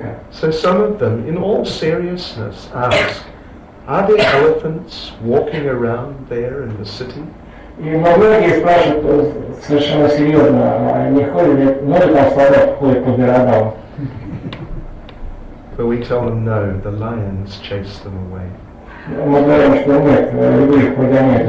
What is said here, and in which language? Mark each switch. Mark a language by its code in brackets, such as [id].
[en] So some of them, in all seriousness, ask, are there elephants walking around there in the city? [ru] И многие спрашивают совершенно серьезно, а не ходит ли много солдат ходит по городам? [en] But we tell them no, the lions chase them away. [ru] Мы говорим, что нет, львы их прогоняют